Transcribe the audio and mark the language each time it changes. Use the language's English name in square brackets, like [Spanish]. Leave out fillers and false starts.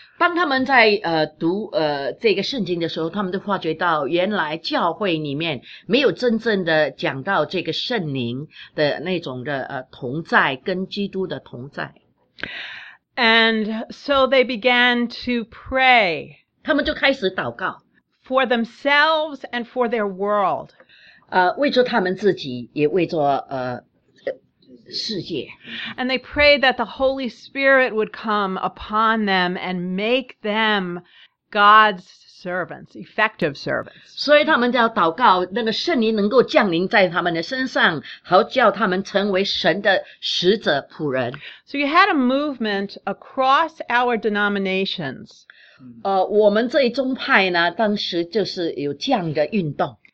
[Chinese] 当他们在读这个圣经的时候，他们就发觉到原来教会里面没有真正的讲到这个圣灵的那种的同在，跟基督的同在。 [English] And so they began to pray. [Chinese] 他们就开始祷告。 [English] For themselves and for their world. [Chinese] 为着他们自己，也为着世界。 [English] And they prayed that the Holy Spirit would come upon them and make them God's servants, effective servants. [Chinese] 所以他们就要祷告，那个圣灵能够降临在他们的身上，好叫他们成为神的使者、仆人。 [English] So you had a movement across our denominations. [Chinese] 我们这一宗派呢，当时就是有这样的运动。